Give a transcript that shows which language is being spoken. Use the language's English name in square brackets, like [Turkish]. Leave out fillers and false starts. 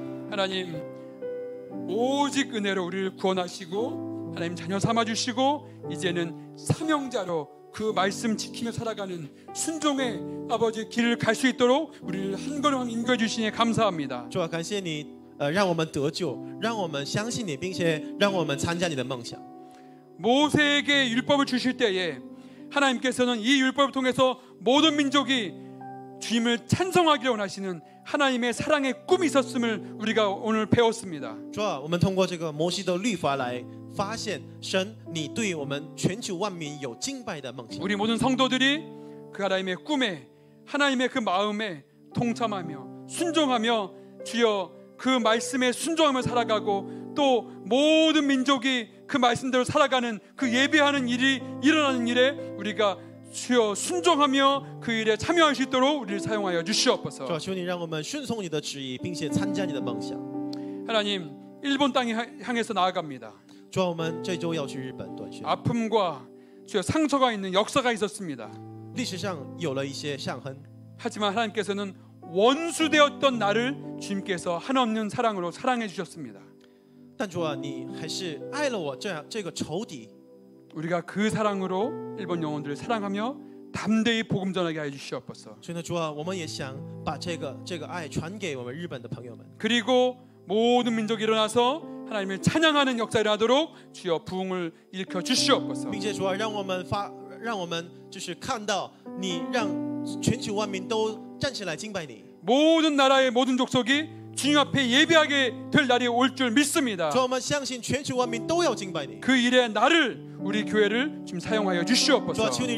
[Korean] 하나님 오직 은혜로 우리를 구원하시고 하나님 자녀 삼아주시고 이제는 사명자로 그 말씀 지키며 살아가는 순종의 아버지 길을 갈 수 있도록 우리를 한 걸음 인도해 주시니 감사합니다. 주아 감사합니다. [Chinese] 让我们得救，让我们相信你，并且让我们参加你的梦想。 [Korean] 모세에게 율법을 주실 때에 하나님께서는 이 율법을 통해서 모든 민족이 주님을 찬송하기를 원하시는 하나님의 사랑의 꿈이 있었음을 우리가 오늘 배웠습니다. [Chinese] 主啊，我们通过这个摩西的律法来发现神你对我们全球万民有敬拜的梦想。 [Korean] 우리 모든 성도들이 그 하나님의 꿈에 하나님의 그 마음에 동참하며 순종하며 주여 그 말씀에 순종하며 살아가고 또 모든 민족이 그 말씀대로 살아가는 그 예배하는 일이 일어나는 일에 우리가 주여 순종하며 그 일에 참여할 수 있도록 우리를 사용하여 주시옵소서. 주여, 주님, [Chinese] 让我们顺从你的旨意，并且参加你的梦想。 [Korean] 하나님, 일본 땅에 향해서 나아갑니다. 주여, [Chinese] 我们这周要去日本短宣。 [Korean] 아픔과 주여 상처가 있는 역사가 있었습니다. [Chinese] 历史上有了一些伤痕。 [Korean] 하지만 하나님께서는 원수되었던 나를 주님께서 한없는 사랑으로 사랑해 주셨습니다. [Chinese] 但主啊，你还是爱了我这样这个仇敌。 [Korean] 우리가 그 사랑으로 일본 영혼들을 사랑하며 담대히 복음 전하게 해 주시옵소서. 주님, 주아, [Chinese] 我们也想把这个爱传给我们日本的朋友们。 [Korean] 그리고 모든 민족이 일어나서 하나님을 찬양하는 역사를 하도록 주여 부흥을 일으켜 주시옵소서. [Chinese] 并且 [Korean] 주아, [Chinese] 让我们就是看到你让全球万民都站起来敬拜你。 [Korean] 모든 나라의 모든 족속이 주님 앞에 예배하게 될 날이 올 줄 믿습니다. 주님, [Chinese] 我们相信全球万民都要敬拜你。 [Korean] 그 일에 나를 우리 교회를 지금 사용하여 주시옵소서.